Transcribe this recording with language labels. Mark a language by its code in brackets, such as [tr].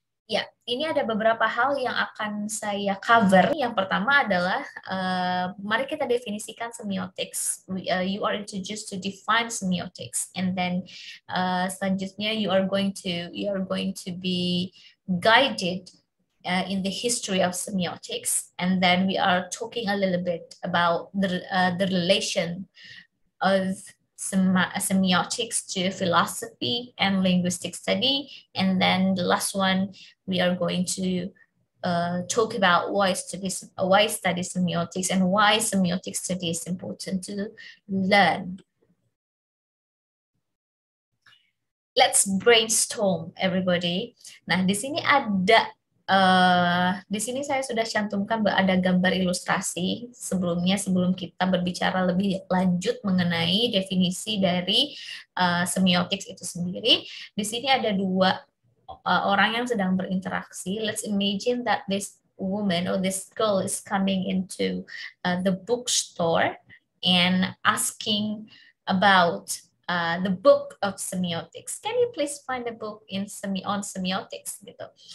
[id] Ya, ini ada beberapa hal yang akan saya cover. Yang pertama adalah, mari kita definisikan semiotics. [en] You are introduced to define semiotics, and then [id] selanjutnya [en] you are going to be guided in the history of semiotics, and then we are talking a little bit about the relation of semiotics to philosophy and linguistic study, and then the last one we are going to talk about why study semiotics and why semiotic study is important to learn. Let's brainstorm everybody. [id] Nah, di sini ada di sini saya sudah cantumkan ada gambar ilustrasi sebelum kita berbicara lebih lanjut mengenai definisi dari semiotics itu sendiri. Di sini ada dua orang yang sedang berinteraksi. [en] Let's imagine that this woman or this girl is coming into the bookstore and asking about the book of semiotics. Can you please find the book on semiotics? [id] Gitu.